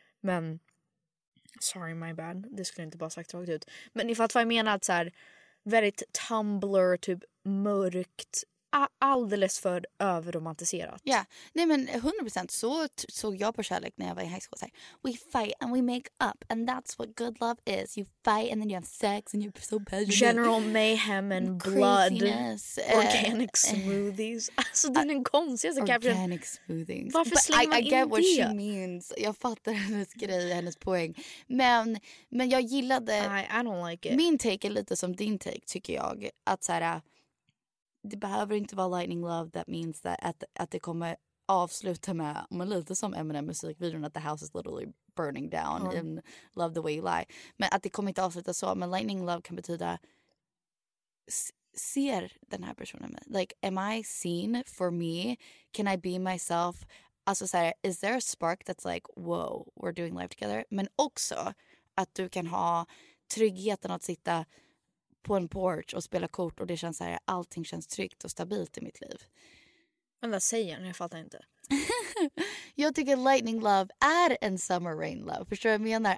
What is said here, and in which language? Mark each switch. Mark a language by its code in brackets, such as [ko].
[sv] Men, [en] sorry my bad, [sv] det skulle inte bara sagt rakt ut. Men ni fattar vad jag menar, att så här, väldigt Tumblr, typ mörkt, alldeles för överromantiserat. Ja, nej men 100% så såg jag på kärlek när jag var i high school. Så här, [en] we fight and we make up and that's what good love is. You fight and then you have sex and you're so passionate. General mayhem and blood. Craziness. Organic smoothies. [sv] Alltså det är den konstigaste kapitlet. Organic smoothies. Varför slänger man in det? [en] I get what she means. [sv] Jag fattar hennes grej, hennes poäng. Men jag gillade... [en] I don't like it. [sv] Min take är lite som din take, tycker jag. Att så här... Det behöver inte vara lightning love that means that att det kommer avsluta med, men lite som Eminem musikvideon, att [en] the house is literally burning down and love the way you lie. [sv] Men att det kommer inte avsluta så, men lightning love kan betyda ser den här personen med. [en] Like, am I seen for me? Can I be myself? [sv] Alltså så här, [en] is there a spark that's like, whoa, we're doing life together? [sv] Men också att du kan ha tryggheten att sitta på en porch och spela kort och det känns så här, allting känns tryggt och stabilt i mitt liv. Men vad säger ni? Jag fattar inte. Jag tycker lightning love är en summer rain love. Förstår du vad jag menar?